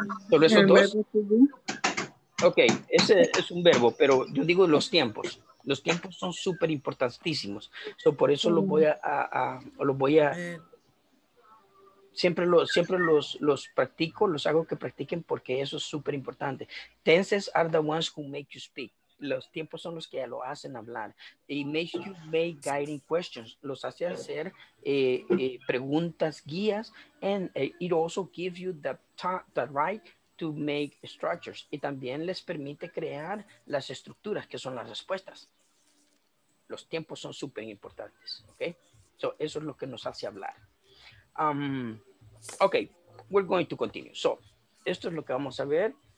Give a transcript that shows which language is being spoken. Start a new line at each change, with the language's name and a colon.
Spanish: ¿Solo esos dos? Ok, ese es un verbo, pero yo digo los tiempos. Los tiempos son súper importantísimos. So, por eso los voy a siempre los practico, los hago que practiquen porque eso es súper importante.
English: Tenses are the ones who make you speak.
Spanish: Los tiempos son los que lo hacen hablar.
English: It makes you make guiding questions.
Spanish: Los hace hacer preguntas guías.
English: And it also gives you the right to make structures.
Spanish: Y también les permite crear las estructuras que son las respuestas. Los tiempos son súper importantes, ¿ok? So, eso es lo que nos hace hablar.
English: Ok, we're going to continue. So,
Spanish: esto es lo que vamos a ver.